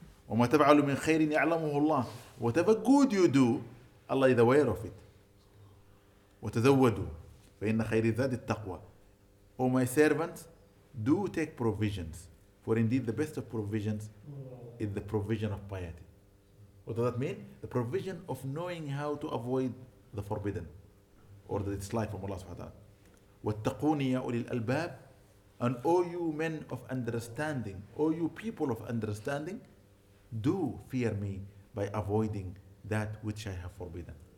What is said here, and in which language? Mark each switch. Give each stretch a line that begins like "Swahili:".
Arabic: وما تفعل من خير يعلمه الله.
English: Whatever good you do, Allah is aware of it.
Arabic: وتزودوا فإن خير الزاد التقوى.
English: O my servants, do take provisions. For indeed the best of provisions is the provision of piety. What does that mean? The provision of knowing how to avoid the forbidden or the dislike from Allah subhanahu wa ta'ala.
Arabic: وَاتَّقُونِ يَا أُولِي الْأَلْبَابِ.
English: And O you men of understanding, O you people of understanding, do fear me by avoiding that which I have forbidden.